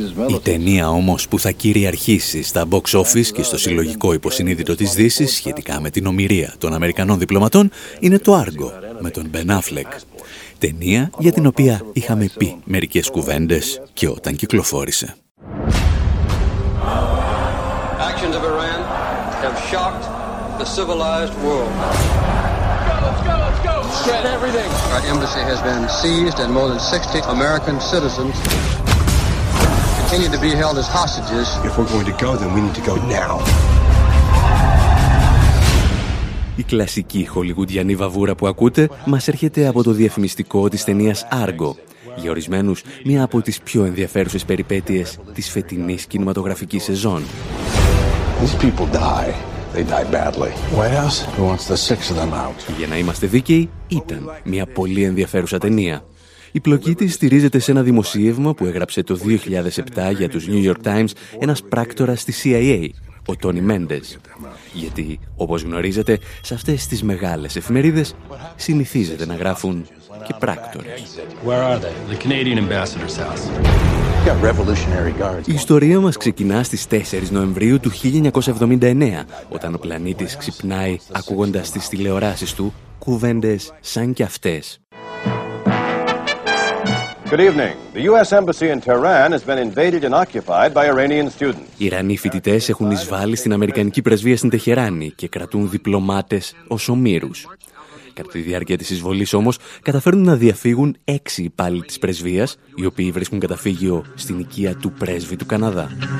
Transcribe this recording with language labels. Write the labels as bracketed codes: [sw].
[el] Η ταινία όμως που θα κυριαρχήσει στα box office και στο συλλογικό υποσυνείδητο της Δύσης σχετικά με την ομοιρία των Αμερικανών διπλωματών είναι το Argo με τον Ben Affleck. Ταινία για την οποία είχαμε πει μερικές κουβέντες και όταν κυκλοφόρησε. [en] Actions of Iran have shocked the civilized world. Our embassy has been seized and more than 60 American citizens continue to be held as hostages. If we're going to go, then we need to go now. [el] Η κλασική χολιγουντιανή βαβούρα που ακούτε μας έρχεται από το διαφημιστικό της ταινίας Argo. Για ορισμένους, μία από τις πιο ενδιαφέρουσες περιπέτειες της φετινής κινηματογραφικής σεζόν. [en] These people die. They die badly. White House, who wants the six of them out? [el] Για να είμαστε δίκαιοι, ήταν μια πολύ ενδιαφέρουσα ταινία. Η πλοκή της στηρίζεται σε ένα δημοσίευμα που έγραψε το 2007 για τους New York Times ένας πράκτορας της CIA, ο Τόνι Μέντες. Γιατί, όπως γνωρίζετε, σε αυτές τις μεγάλες εφημερίδες συνηθίζεται να γράφουν και πράκτορες. [en] Where are they? The Canadian ambassador's house. [el] Η ιστορία μας ξεκινά στις 4 Νοεμβρίου του 1979, όταν ο πλανήτης ξυπνάει ακούγοντας τις τηλεοράσεις του κουβέντες σαν και αυτές. [en] Good evening. The US embassy in Tehran has been invaded and occupied by Iranian students. [el] Οι Ιρανοί φοιτητές έχουν εισβάλει στην Αμερικανική πρεσβεία στην Τεχεράνη και κρατούν διπλωμάτες ως ομήρους. Κατά τη διάρκεια της εισβολής όμως, καταφέρνουν να διαφύγουν 6 υπάλληλοι της πρεσβείας, οι οποίοι βρίσκουν καταφύγιο στην οικία του πρέσβη του Καναδά.